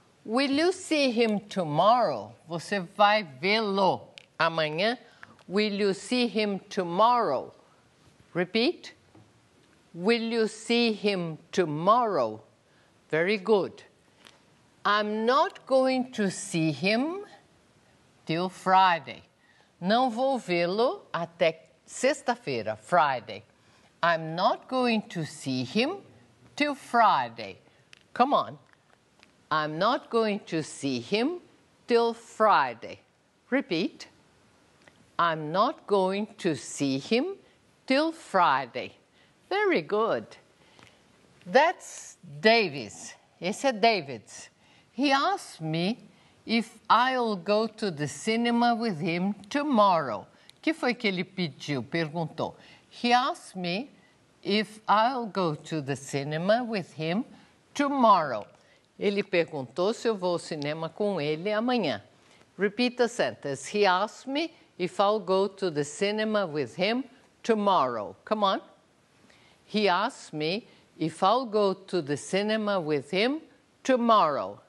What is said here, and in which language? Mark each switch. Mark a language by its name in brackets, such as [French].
[English] Will you see him tomorrow? [Portuguese] Você vai vê-lo amanhã. [English] Will you see him tomorrow? Repeat. Will you see him tomorrow? Very good. I'm not going to see him till Friday. [Portuguese] Não vou vê-lo até sexta-feira, Friday. [English] I'm not going to see him till Friday. Come on. I'm not going to see him till Friday. Repeat. I'm not going to see him till Friday. Very good. That's Davis. [Portuguese] Esse é Davids. [English] He asked me if I'll go to the cinema with him tomorrow. [Portuguese] O que foi que ele pediu? Perguntou. [English] He asked me if I'll go to the cinema with him tomorrow. [Portuguese] Ele perguntou se eu vou ao cinema com ele amanhã. [English] Repeat the sentence. He asked me if I'll go to the cinema with him tomorrow. Come on. He asked me if I'll go to the cinema with him tomorrow.